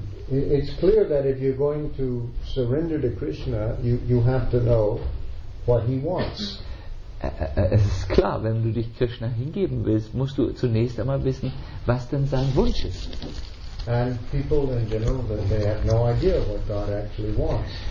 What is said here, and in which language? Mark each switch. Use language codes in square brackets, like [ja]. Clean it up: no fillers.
[en] It's clear that if you're going to surrender to Krishna, you have to know what he wants. [de] Es ist klar, wenn du dich Krishna hingeben willst, musst du zunächst einmal wissen, was denn sein Wunsch ist. [en] And people in general, they have no idea what God actually wants.